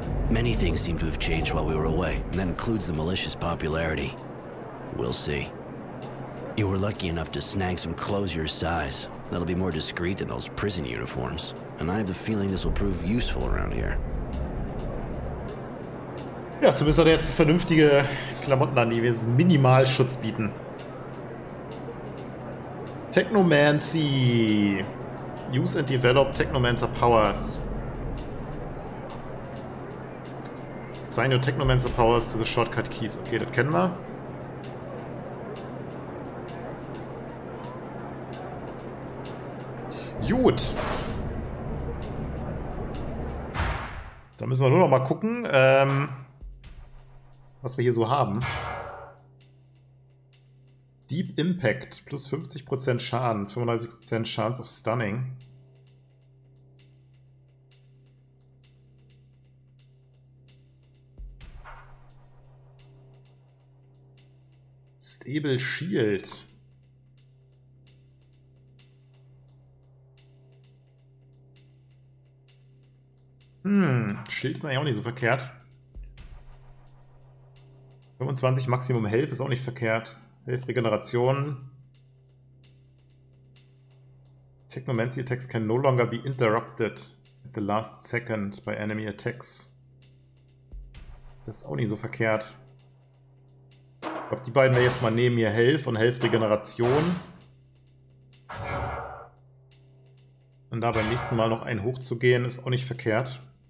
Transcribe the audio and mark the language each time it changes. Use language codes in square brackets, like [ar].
[en] Many things seem to have changed while we were away, and that includes the militia's popularity. We'll see. You were lucky enough to snag some clothes your size. That'll be more discreet than those prison uniforms, and I have the feeling this will prove useful around here. [de] Ja, zumindest hat er jetzt vernünftige Klamotten an, die wir Minimalschutz bieten. [en] Technomancy. Use and develop Technomancer Powers. Assign your Technomancer Powers to the Shortcut Keys. [de] Okay, das kennen wir. Gut. Da müssen wir nur noch mal gucken. Was wir hier so haben. [en] Deep Impact. Plus 50% Schaden. 35% Chance of Stunning. Stable Shield. [de] Shield ist eigentlich auch nicht so verkehrt. 25 Maximum Health ist auch nicht verkehrt. [en] Health Regeneration. Technomancy Attacks can no longer be interrupted at the last second by enemy attacks. [de] Das ist auch nicht so verkehrt. Ich glaube, die beiden werden jetzt mal nehmen hier Health und Health Regeneration. Und da beim nächsten Mal noch einen hochzugehen, ist auch nicht verkehrt.